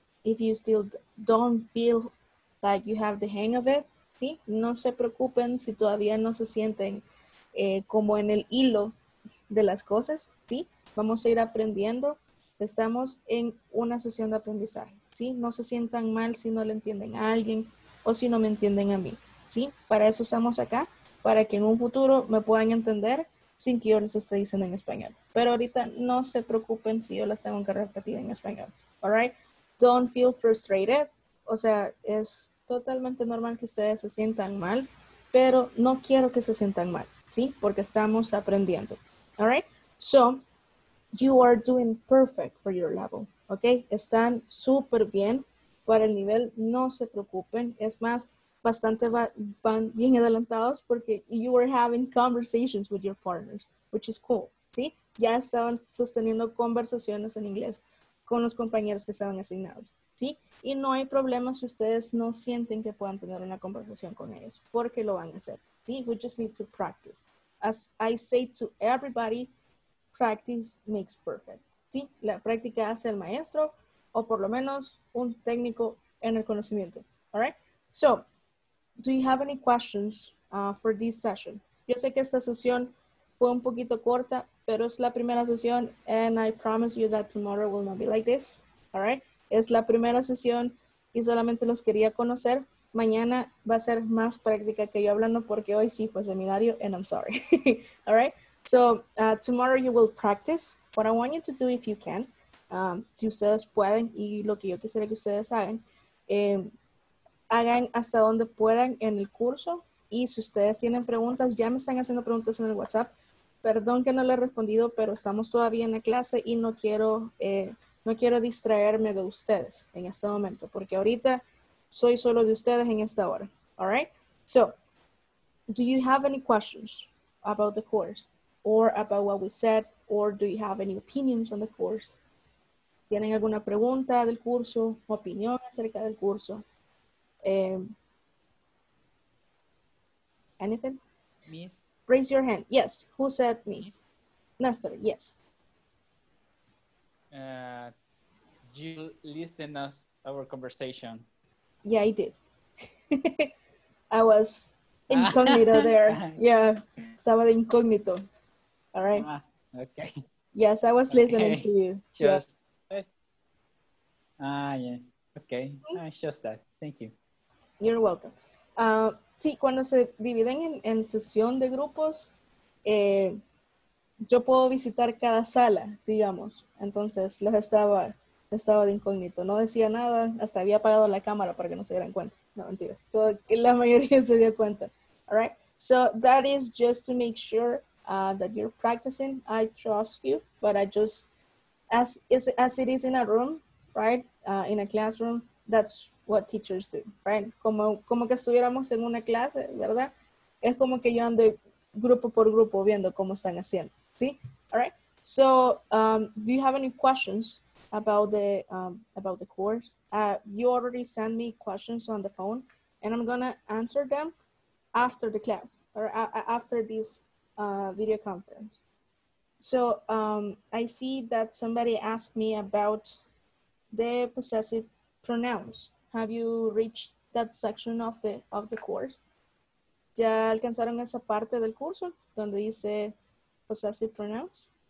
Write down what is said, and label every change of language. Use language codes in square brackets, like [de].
[en] If you still don't feel like you have the hang of it, ¿sí? [es] No se preocupen si todavía no se sienten como en el hilo de las cosas, ¿sí? Vamos a ir aprendiendo. Estamos en una sesión de aprendizaje, ¿sí? No se sientan mal si no le entienden a alguien o si no me entienden a mí, ¿sí? Para eso estamos acá, para que en un futuro me puedan entender sin que yo les esté diciendo en español. Pero ahorita no se preocupen si yo las tengo que repetir en español, [en] ¿all right? Don't feel frustrated. [es] O sea, es totalmente normal que ustedes se sientan mal, pero no quiero que se sientan mal. ¿Sí? Porque estamos aprendiendo. [en] All right? So, you are doing perfect for your level. Okay? [es] Están súper bien para el nivel. No se preocupen. Es más, bastante van bien adelantados porque [en] you were having conversations with your partners, which is cool. [es] ¿Sí? Ya estaban sosteniendo conversaciones en inglés con los compañeros que estaban asignados. ¿Sí? Y no hay problema si ustedes no sienten que puedan tener una conversación con ellos porque lo van a hacer. [en] We just need to practice. As I say to everybody, practice makes perfect. ¿Sí? [es] La práctica hace el maestro o por lo menos un técnico en el conocimiento. [en] All right? So, do you have any questions for this session? [es] Yo sé que esta sesión fue un poquito corta, pero es la primera sesión [en] and I promise you that tomorrow will not be like this. All right? [es] Es la primera sesión y solamente los quería conocer. Mañana va a ser más práctica que yo hablando porque hoy sí fue seminario [en] and I'm sorry. All right. So tomorrow you will practice. What I want you to do if you can, [es] si ustedes pueden y lo que yo quisiera que ustedes hagan, hagan hasta donde puedan en el curso y si ustedes tienen preguntas, ya me están haciendo preguntas en el WhatsApp. Perdón que no le he respondido, pero estamos todavía en la clase y no quiero distraerme de ustedes en este momento porque ahorita soy solo de ustedes en esta hora. [en] All right? So, do you have any questions about the course or about what we said or do you have any opinions on the course? [es] ¿Tienen alguna pregunta del curso o opinión acerca del curso? [en] Anything? Miss? Raise your hand. Yes. Who said miss? Nestor, yes. You listened to our conversation. Yeah, I did. I was incognito there. [es] Yeah, estaba de incógnito. [en] All right. Okay. Yes, I was listening to you. Just. Yeah. Okay. Mm-hmm. Just that. Thank you. You're welcome. [es] Sí, cuando se dividen en sesión de grupos, yo puedo visitar cada sala, digamos. Entonces, los estaba... Estaba de incógnito, no decía nada, hasta había apagado la cámara para que no se dieran cuenta. No, mentiras, todo, la mayoría se dio cuenta. [en] All right, so that is just to make sure that you're practicing. I trust you, but I just, as it is in a room, right, in a classroom, that's what teachers do, right? [es] Como que estuviéramos en una clase, ¿verdad? Es como que yo ando grupo por grupo viendo cómo están haciendo, ¿sí? [en] All right, so do you have any questions about the course? You already sent me questions on the phone and I'm gonna answer them after the class or after this video conference. So I see that somebody asked me about the possessive pronouns. Have you reached that section of the course? [es] ¿Ya alcanzaron esa parte del curso donde dice possessive pronouns?